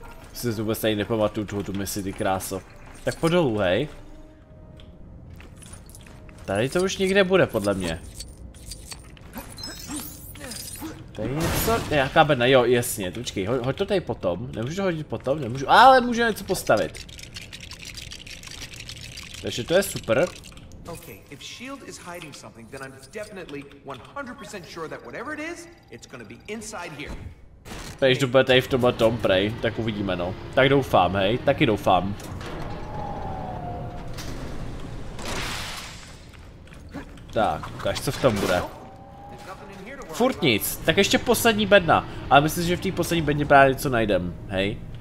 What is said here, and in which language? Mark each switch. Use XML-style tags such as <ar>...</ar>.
<cs>Myslím, že vůbec tady nepamatuju tu misi, ty kráso. Tak po dolů, hej. Tady to už nikde bude, podle mě. Tady něco, nějaká bedna, jo, jasně, počkej, hoď to tady potom, nemůžu to hodit potom, nemůžu, ale můžu něco postavit. Takže to je super.</cs> <en>Okay, if shield is hiding something, then I'm definitely 100% sure that whatever it is, it's gonna be inside here.</en> <cs>Pejš to bude tady v tomhle tom, prej, tak uvidíme, no. Tak doufám, hej, taky doufám. Tak, ukáž, co v tom bude. Furt nic, tak ještě poslední bedna. Ale myslím, že v té poslední bedně právě něco najdem, hej.</cs>